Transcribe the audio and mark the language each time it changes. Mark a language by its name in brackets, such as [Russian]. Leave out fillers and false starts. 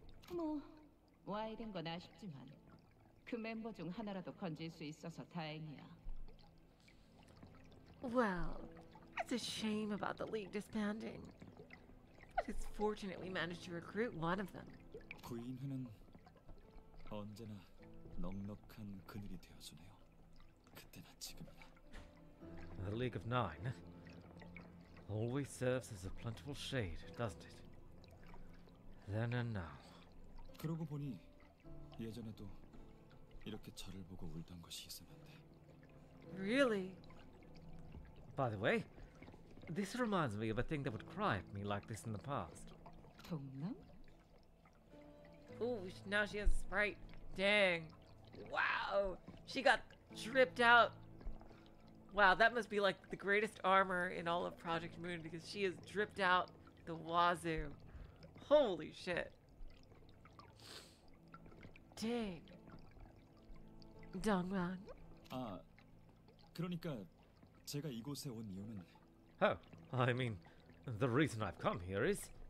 [Korean] 뭐, 와이 된 건 아쉽지만 그 멤버 중 하나라도 건질 수 있어서 다행이야. [English] Well, it's a shame about the league disbanding. But it's fortunate we managed to recruit one of them. [Korean] 구인회는 언제나 넉넉한 그늘이 되어주네요. 그때나 지금이나. [English] The League of Nine always serves as a plentiful shade, doesn't it? Then and now. [Korean] 그러고 보니 예전에도 이렇게 저를 보고 울던 것이 있었는데. [English] Really? By the way, this reminds me of a thing that would cry at me like this in the past. [Korean] 동남? [English] Ooh, now she has a sprite. Dang. Wow, she got dripped out. Wow, that must be like the greatest armor in all of Project Moon because she has dripped out the wazoo. Holy shit. Dang. Dongrang. [Korean] 아, 그러니까 제가 이곳에 온 이유는... [English] Oh, I mean, the reason I've come here is...